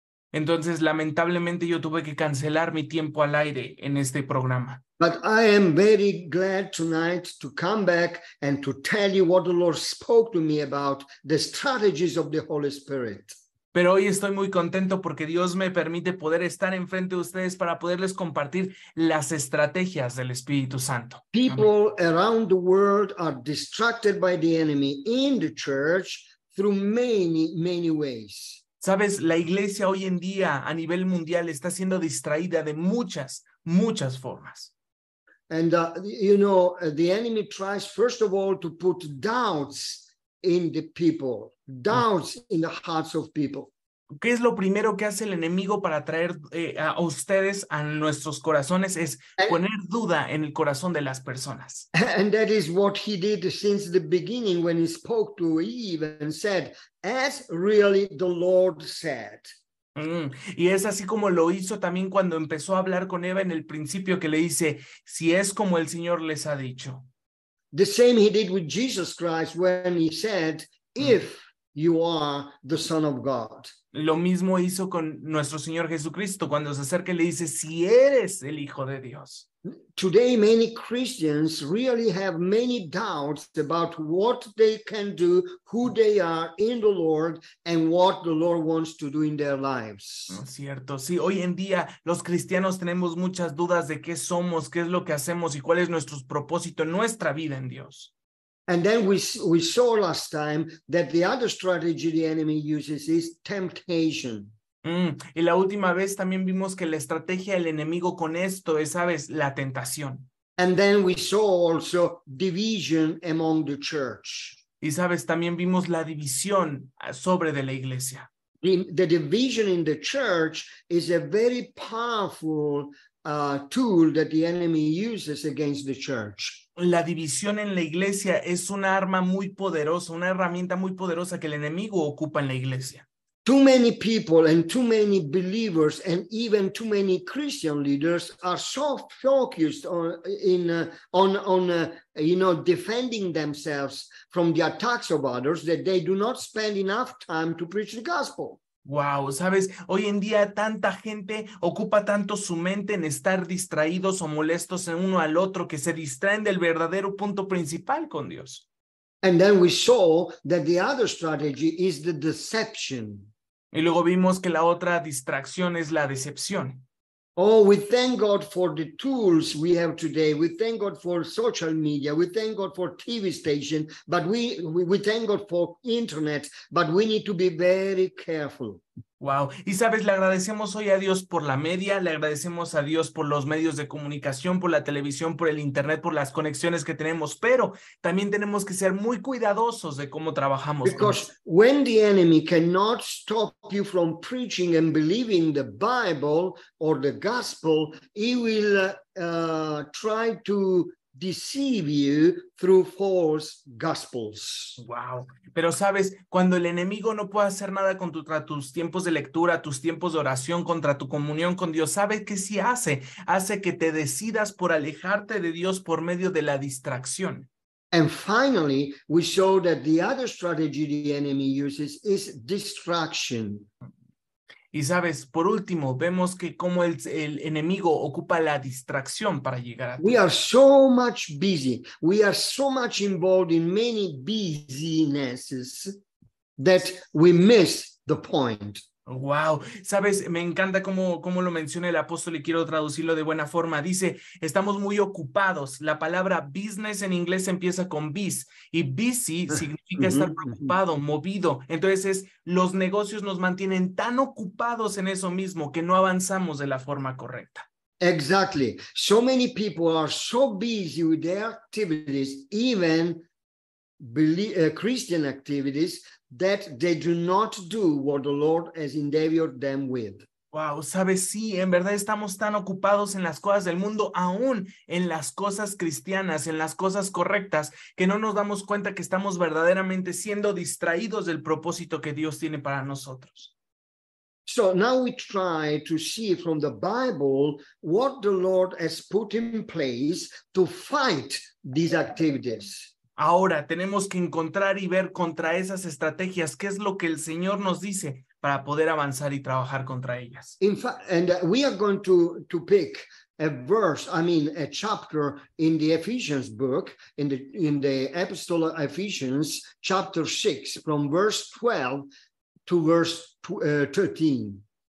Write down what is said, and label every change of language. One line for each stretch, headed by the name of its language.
Spanish: Entonces, lamentablemente, yo tuve que cancelar mi tiempo al aire en este programa.
English: But I am very glad tonight to come back and to tell you what the Lord spoke to me about the strategies of the Holy Spirit.
Spanish: Pero hoy estoy muy contento porque Dios me permite poder estar enfrente de ustedes para poderles compartir las estrategias del Espíritu Santo.
English: People Amen. Around the world are distracted by the enemy in the church through many, many ways.
Spanish: Sabes, la iglesia hoy en día a nivel mundial está siendo distraída de muchas, muchas formas.
English: And, you know, the enemy tries, first of all, to put doubts in the people, doubts in the hearts of people.
Spanish: ¿Qué es lo primero que hace el enemigo para traer a ustedes, a nuestros corazones? Es poner duda en el corazón de las personas.
English: And that is what he did since the beginning when he spoke to Eve and said, as really the Lord said.
Spanish: Y es así como lo hizo también cuando empezó a hablar con Eva en el principio, que le dice, si es como el Señor les ha dicho.
English: The same he did with Jesus Christ when he said, if you are the Son of God.
Spanish: Lo mismo hizo con nuestro Señor Jesucristo cuando se acerca y le dice, si eres el Hijo de Dios.
English: Today many Christians really have many doubts about what they can do, who they are in the Lord, and what the Lord wants to do in their lives.
Spanish: Cierto, sí, hoy en día los cristianos tenemos muchas dudas de qué somos, qué es lo que hacemos y cuál es nuestro propósito en nuestra vida en Dios.
English: And then we saw last time that the other strategy the enemy uses is temptation.
Spanish: Y la última vez también vimos que la estrategia del enemigo con esto es, ¿sabes?, la tentación.
English: And then we saw also division among the church.
Spanish: Y, ¿sabes?, también vimos la división sobre de la iglesia.
English: The division in the church is a very powerful tool that the enemy uses against the church.
Spanish: La división en la iglesia es un arma muy poderosa, una herramienta muy poderosa que el enemigo ocupa en la iglesia.
English: Too many people and too many believers and even too many Christian leaders are so focused on defending themselves from the attacks of others that they do not spend enough time to preach the gospel.
Spanish: Wow, ¿sabes? Hoy en día tanta gente ocupa tanto su mente en estar distraídos o molestos en uno al otro que se distraen del verdadero punto principal con Dios.
English: And then we saw that the other strategy is the deception.
Spanish: Y luego vimos que la otra distracción es la decepción.
English: Oh, we thank God for the tools we have today. We thank God for social media. We thank God for TV station. But we thank God for internet. But we need to be very careful.
Spanish: Wow. Y sabes, le agradecemos hoy a Dios por la media. Le agradecemos a Dios por los medios de comunicación, por la televisión, por el internet, por las conexiones que tenemos. Pero también tenemos que ser muy cuidadosos de cómo trabajamos.
English: Because when the enemy cannot stop you from preaching and believing the Bible or the gospel, he will try to deceive you through false gospels. Wow.
Spanish: Pero sabes, cuando el enemigo no puede hacer nada contra tus tiempos de lectura, tus tiempos de oración, contra tu comunión con Dios, ¿sabes qué sí hace? Hace que te decidas por alejarte de Dios por medio de la distracción.
English: And finally, we show that the other strategy the enemy uses is distraction.
Spanish: Y sabes, por último, vemos que cómo el enemigo ocupa la distracción para llegar a ti.
English: We are so much busy. We are so much involved in many businesses that we miss the point. Wow.
Spanish: Sabes, me encanta cómo lo menciona el apóstol y quiero traducirlo de buena forma. Dice, estamos muy ocupados. La palabra business en inglés empieza con biz y busy significa estar preocupado, movido. Entonces, los negocios nos mantienen tan ocupados en eso mismo que no avanzamos de la forma correcta.
English: Exactly. So many people are so busy with their activities, even Christian activities, that they do not do what the Lord has endeavored them with.
Spanish: Wow, sabes, sí, en verdad estamos tan ocupados en las cosas del mundo, aún en las cosas cristianas, en las cosas correctas, que no nos damos cuenta que estamos verdaderamente siendo distraídos del propósito que Dios tiene para nosotros.
English: So now we try to see from the Bible what the Lord has put in place to fight these activities.
Spanish: Ahora tenemos que encontrar y ver contra esas estrategias qué es lo que el Señor nos dice para poder avanzar y trabajar contra ellas.
English: In fact, and we are going to pick a chapter in the Ephesians book, in the Epistle of Ephesians, chapter 6, from verse 12 to verse 13.